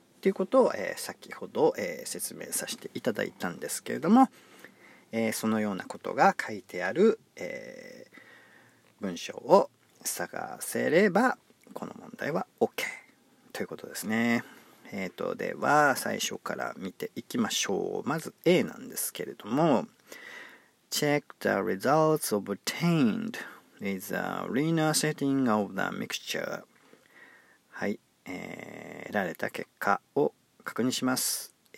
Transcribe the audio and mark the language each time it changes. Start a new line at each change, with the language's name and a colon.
Japanese: ということを、先ほど、説明させていただいたんですけれども、そのようなことが書いてある、文章を探せればこの問題は OK ということですね。では最初から見ていきましょう。まず A なんですけれども、
English: Check the results obtained is a linear setting of the mixture。
Japanese: はい、得られた結果を確認します。